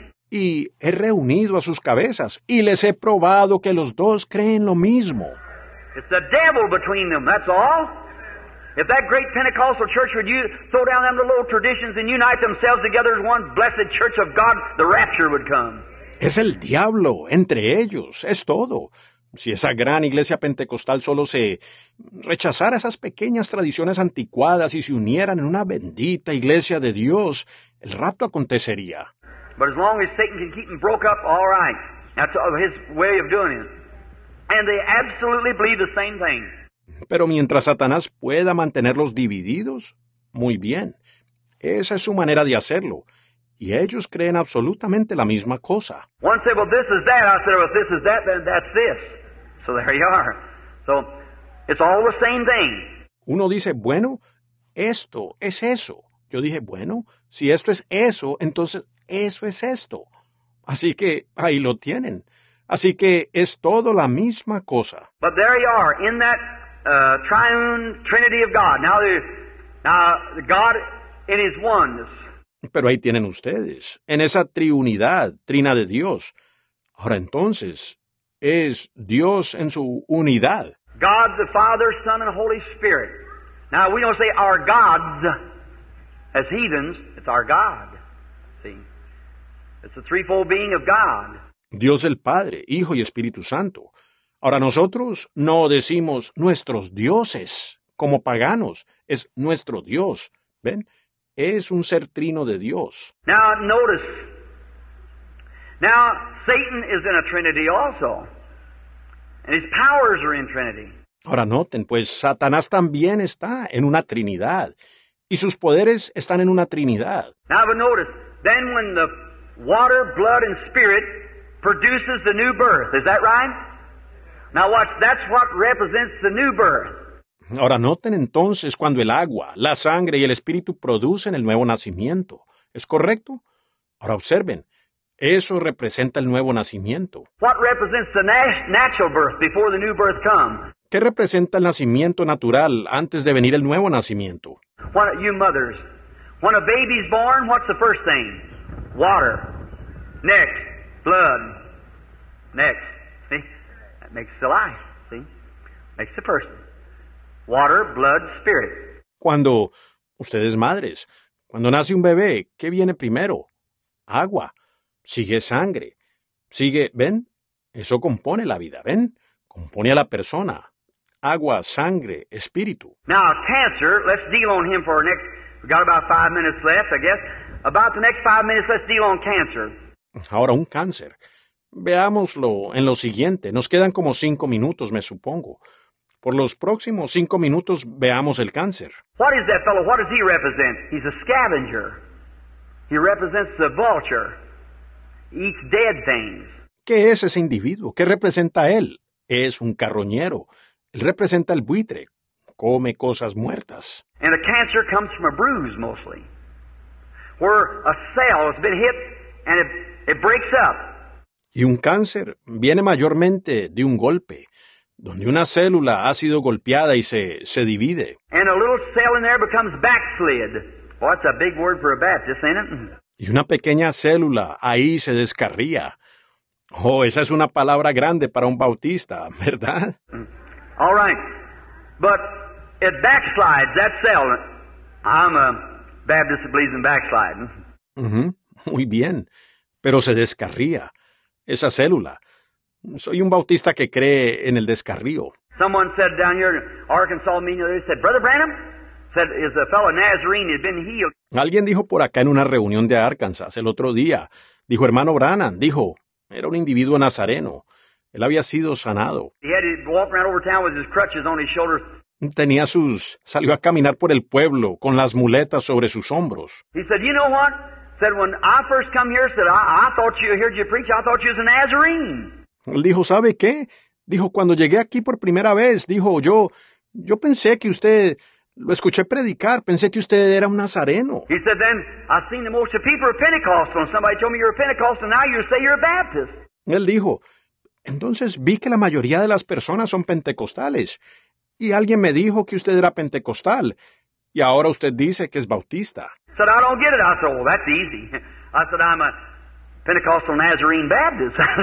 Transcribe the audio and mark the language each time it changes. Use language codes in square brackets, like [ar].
[es] Y he reunido a sus cabezas y les he probado que los dos creen lo mismo. [en] It's the devil between them, that's all. If that great Pentecostal church would you throw down them little traditions and unite themselves together as one blessed church of God, the rapture would come. [es] Es el diablo entre ellos, es todo. Si esa gran iglesia pentecostal solo se rechazara esas pequeñas tradiciones anticuadas y se unieran en una bendita iglesia de Dios, el rapto acontecería. [en] But as long as Satan can keep them broke up, all right. That's his way of doing it. And they absolutely believe the same thing. [es] Pero mientras Satanás pueda mantenerlos divididos, muy bien. Esa es su manera de hacerlo. Y ellos creen absolutamente la misma cosa. [en] One said, well, this is that. I said, well, this is that, then that's this. So there you are. So it's all the same thing. [es] Uno dice, bueno, esto es eso. Yo dije, bueno, si esto es eso, entonces eso es esto. Así que ahí lo tienen. Así que es todo la misma cosa. [en] But there you are, in that triune trinity of God. Now the God in his oneness. [es] Pero ahí tienen ustedes, en esa triunidad, trina de Dios. Ahora entonces, es Dios en su unidad. [en] God the Father, Son, and Holy Spirit. Now we don't say our gods as heathens, it's our God. See, it's the threefold being of God. [es] Dios el Padre, Hijo y Espíritu Santo. Ahora nosotros no decimos nuestros dioses como paganos, es nuestro Dios. ¿Ven? Es un ser trino de Dios. [en] Now notice. Now Satan is in a trinity also. And his powers are in trinity. [es] Ahora noten, pues Satanás también está en una trinidad. Y sus poderes están en una trinidad. [en] Now but notice. Then when the water, blood, and spirit produces the new birth. Is that right? Now watch. That's what represents the new birth. [es] Ahora noten entonces cuando el agua, la sangre y el espíritu producen el nuevo nacimiento. ¿Es correcto? Ahora observen, eso representa el nuevo nacimiento. [en] What represents the natural birth before the new birth comes? [es] ¿Qué representa el nacimiento natural antes de venir el nuevo nacimiento? [en] What, you mothers, when a baby's born, what's the first thing? Water. Next, blood. Next. See? That makes the life. See? Makes the person. Water, blood, spirit. [es] Cuando ustedes madres, cuando nace un bebé, ¿qué viene primero? Agua. Sigue sangre. Sigue, ¿ven? Eso compone la vida, ¿ven? Compone a la persona. Agua, sangre, espíritu. [en] Now, cancer, let's deal on him for our next... We've got about 5 minutes left, I guess. About the next 5 minutes, let's deal on cancer. [es] Ahora, un cáncer. Veámoslo en lo siguiente. Nos quedan como 5 minutos, me supongo. Por los próximos 5 minutos, veamos el cáncer. [en] What is that fellow? What does he represent? He's a scavenger. He represents the vulture. He eats dead things. [es] ¿Qué es ese individuo? ¿Qué representa él? Es un carroñero. Él representa el buitre. Come cosas muertas. [en] And the cancer comes from a bruise, mostly. Where a cell has been hit and it breaks up. [es] Y un cáncer viene mayormente de un golpe. Donde una célula ha sido golpeada y se divide. [en] And a little cell in there becomes backslid. Well, that's a big word for a Baptist, ain't it? [es] Y una pequeña célula ahí se descarría. Oh, esa es una palabra grande para un bautista, ¿verdad? [en] All right. But it backslides, that cell. I'm a Baptist that believes in backsliding. [es] Muy bien. Pero se descarría esa célula. Soy un bautista que cree en el descarrío. [en] Someone said down here in Arkansas meeting, they said, Brother Branham, said, is a fellow Nazarene had been healed. [es] Alguien dijo por acá en una reunión de Arkansas el otro día, dijo hermano Branham, dijo, era un individuo nazareno, él había sido sanado. [en] He had to walk around over town with his crutches on his shoulders. [es] Salió a caminar por el pueblo con las muletas sobre sus hombros. [en] He said, you know what? Said, when I first come here, said, I thought you heard you preach, I thought you was a Nazarene. [es] Él dijo, ¿sabe qué? Dijo, cuando llegué aquí por primera vez, dijo, yo pensé que usted, lo escuché predicar, pensé que usted era un nazareno. [en] He said, then, I seen the most of people are Pentecostal, and somebody told me you're a Pentecostal, and now you say you're a Baptist. [es] Él dijo, entonces vi que la mayoría de las personas son pentecostales, y alguien me dijo que usted era pentecostal, y ahora usted dice que es bautista. [en] He said, I don't get it. I said, well, that's easy. I said, I'm a Pentecostal Nazarene Baptist.